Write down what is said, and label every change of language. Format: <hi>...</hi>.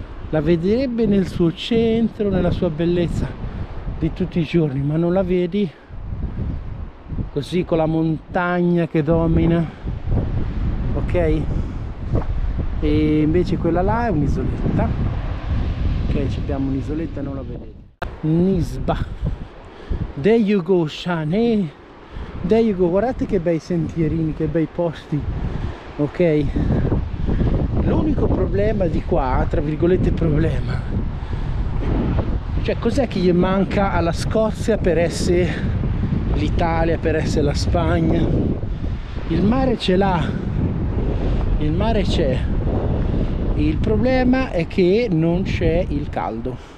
<it>La vedrebbe nel suo centro, nella sua bellezza di tutti i giorni, ma non la vedi così con la montagna che domina, ok? E invece quella là è un'isoletta. Ok, ci abbiamo un'isoletta, non la vedete.</it> <en>Nisba, there you go Shane, there you go.</en> <it>Guardate che bei sentierini, che bei posti, ok? L'unico problema di qua, tra virgolette problema, cioè cos'è che gli manca alla Scozia per essere l'Italia, per essere la Spagna? Il mare ce l'ha, il mare c'è, il problema è che non c'è il caldo.</it>